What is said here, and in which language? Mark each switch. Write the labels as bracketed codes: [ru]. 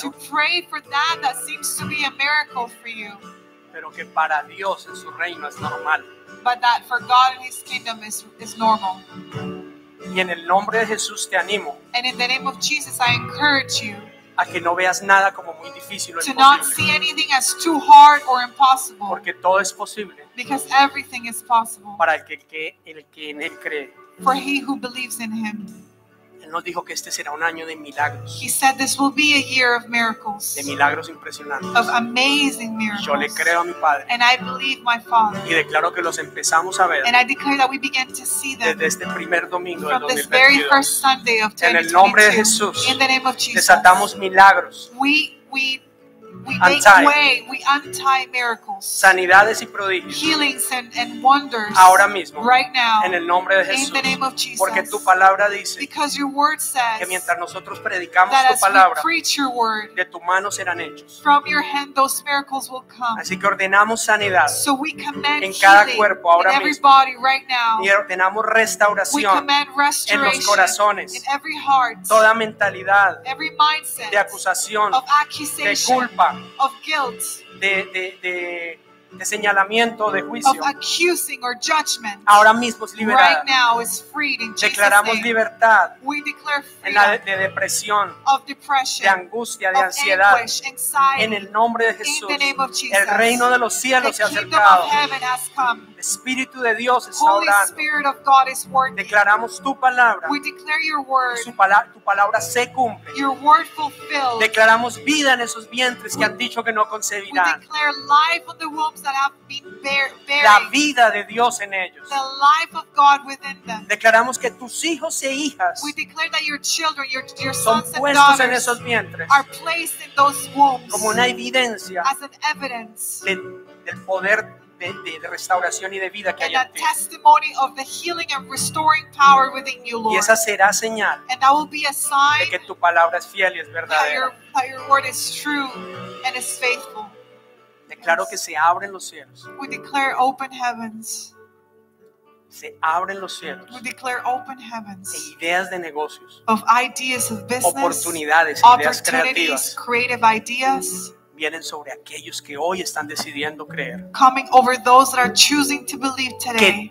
[en] To pray for that that seems to be a miracle for you. [es] Pero que para Dios en su reino es normal. [en] But that for God in His kingdom is normal. [es] Y en el nombre de Jesús te animo. [en] And in the name of Jesus I encourage you. [es] A que no veas nada como muy difícil o imposible. [en] To not see anything as too hard or impossible. [es] Porque todo es posible. [en] Because everything is possible. [es] Para el que en él cree. [en] For he who believes in him. [es] Él nos dijo que este será un año de milagros. [en] He said this will be a year of miracles. [es] De milagros impresionantes. [en] Of amazing miracles. [es] Yo le creo a mi Padre. [en] And I believe my Father. [es] Y declaro que los empezamos a ver. [en] And I declare that we begin to see them. [es] Desde este primer domingo del 2022. [en] From this very first Sunday of 2022. [es] En el nombre de Jesús. [en] In the name of Jesus. [es] Desatamos milagros. [en] We make way. We untie miracles. [es] Sanidades y prodigios. [en] Healings and wonders. [es] Ahora mismo. [en] Right now. [es] En el nombre de Jesús. [en] In the name of Jesus. [es] Porque tu palabra dice. [en] Because your word says. [es] Que mientras nosotros predicamos tu palabra. [en] That as we preach your word. [es] De tu mano serán hechos. [en] From your hand those miracles will come. [es] Así que ordenamos sanidad. [en] So we command healing. [es] En cada cuerpo ahora mismo. [en] In every body right now. [es] Y ordenamos restauración. [en] We command restoration. [es] En los corazones. [en] In every heart. [es] Toda mentalidad. [en] Every mindset. [es] De acusación. [en] Of accusation. [es] De culpa. [en] Of guilt, [es] de señalamiento, de juicio. [en] Of accusing or judgment. [es] Ahora mismo es liberada. [en] Right now is freed in Jesus' [es] declaramos [en] name. [es] Libertad. [en] We declare freedom. [es] En la de depresión, [en] of depression, [es] de angustia, [en] of [es] de ansiedad. [en] Anguish, anxiety, [es] en el nombre de Jesús. [en] In the name of Jesus. [es] El reino de los cielos [en] the [es] se ha acercado. [en] Kingdom of heaven has come. [es] Espíritu de Dios está [en] Holy [es] orando. [en] Spirit of God is working. [es] Declaramos tu palabra. [en] We declare your word. [es] Tu palabra se cumple. [en] Your word fulfilled. [es] Declaramos vida en esos vientres que han dicho que no concebirán. [en] We declare life on the wombs that have been buried. [es] La vida de Dios en ellos. [en] The life of God within them. [es] Declaramos que tus hijos e hijas. [en] We declare that your children, your sons [es] son puestos [en] and daughters [es] en esos vientres. [en] Are placed in those wombs. [es] Como una evidencia. [en] As an evidence. [es] Del poder de restauración y de vida que [en] and [es] hay en ti. [en] Testimony of the healing and restoring power within you, Lord. [es] Y esa será señal [en] and that will be a sign [es] de que tu palabra es fiel y es verdadera. [en] That your word is true and is faithful. [es] Declaro yes. Que se abren los cielos. [en] We declare open heavens. [es] Se abren los cielos. [en] We declare open heavens. [es] De ideas de negocios. [en] Of ideas of business. [es] Oportunidades, ideas creativas. [en] Creative ideas. [es] Vienen sobre aquellos que hoy están decidiendo creer. [en] Coming over those that are choosing to believe today.